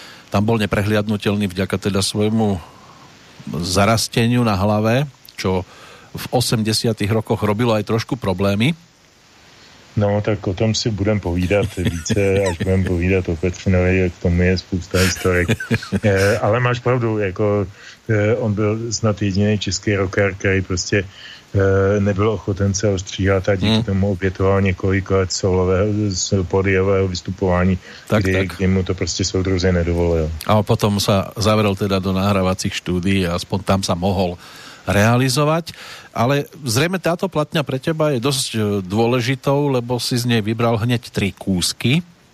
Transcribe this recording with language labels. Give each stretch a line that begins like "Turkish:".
Slovak: Tam bol neprehliadnutelný vďaka teda svojmu zarasteniu na hlave, čo v 80. rokoch robilo aj trošku problémy.
Czech: No, tak o tom si budem povídat více, až budem povídat o Petřinovi, jak tomu je spousta historik. Ale máš pravdu, jako on byl snad jediný český rocker, který prostě nebyl ochoten se ostříhat a díky tomu obětoval několik let podijového vystupování, kdy mu to prostě soudruzi nedovolil. A potom se zavedl teda do nahrávacích studií a aspoň tam se mohl realizovať,
Slovak: ale zrejme táto platňa pre teba je dosť dôležitou, lebo si z nej vybral hneď tri kúsky.